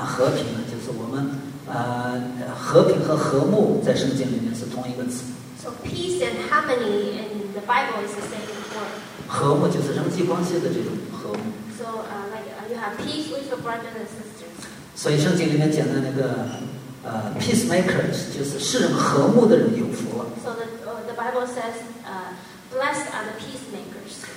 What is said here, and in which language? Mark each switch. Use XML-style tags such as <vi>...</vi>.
<zh>和平呢，就是我们和平和和睦在圣经里面是同一个词。</zh> <en>So peace and harmony in the Bible is the same word.</en> <zh>和睦就是人际关系的这种和睦。</zh> <en>So you have peace with your brothers and sisters.</en> <zh>所以圣经里面讲的那个peacemaker 就是世人和睦的人有福了。</zh> <en>So the Bible says, blessed are the peacemakers.</en>